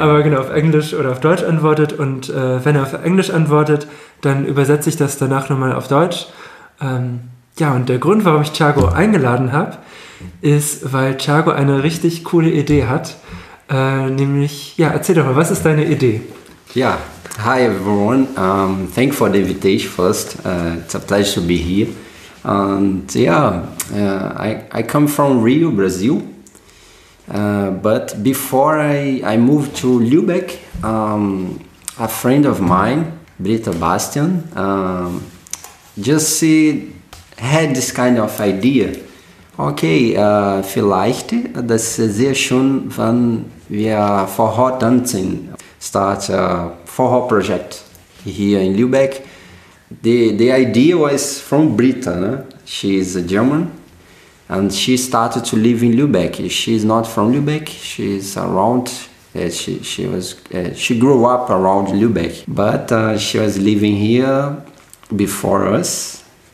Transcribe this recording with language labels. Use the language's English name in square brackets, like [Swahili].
[German] Aber genau, auf Englisch oder auf Deutsch antwortet. Und wenn er auf Englisch antwortet, dann übersetze ich das danach nochmal auf Deutsch. Ja, und der Grund, warum ich Thiago eingeladen habe, ist, weil Thiago eine richtig coole Idee hat. Nämlich, ja, erzähl doch mal, was ist deine Idee? [English] Ja, hi everyone. Thank for the invitation first. It's a pleasure to be here. And yeah, I come from Rio, Brazil. But before I moved to Lübeck, a friend of mine, Britta Bastian, had this kind of idea. [German] Okay, vielleicht das ist sehr schön, wenn wir Forró Tanzen [English] start a Forró project here in Lübeck. The idea was from Britta, né? She is a German, and she started to live in Lübeck. She's not from Lübeck. She's around. She grew up around Lübeck, but she was living here before us.